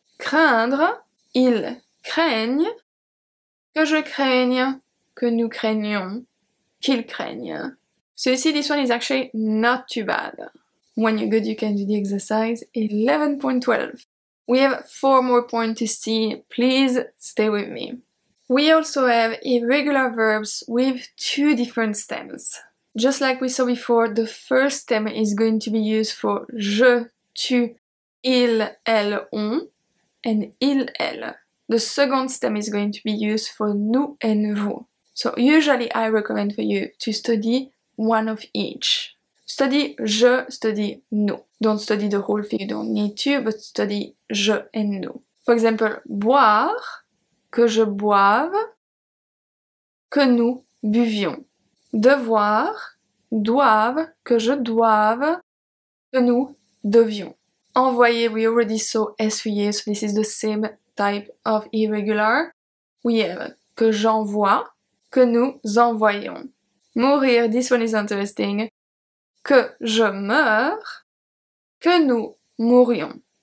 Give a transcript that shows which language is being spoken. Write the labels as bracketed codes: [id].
[fr] Craindre, ils craignent, que je craigne, que nous craignions, qu'ils craignent. [en] So you see, this one is actually not too bad. When you're good, you can do the exercise. 11.12. We have 4 more points to see. Please stay with me. We also have irregular verbs with 2 different stems. Just like we saw before, the first stem is going to be used for je, tu, il, elle, on, and il, elle. The second stem is going to be used for nous and vous. So usually I recommend for you to study one of each. Study je, study nous. Don't study the whole thing, you don't need to, but study je and nous. For example, boire, [fr] que je boive, que nous buvions. Devoir, doivent, que je doive, que nous devions. [en] Envoyer, we already saw essuyer, so this is the same type of irregular. We have [fr] que j'envoie, que nous envoyons. [en] Mourir, this one is interesting. [fr] Que je meurs, que nous mourions.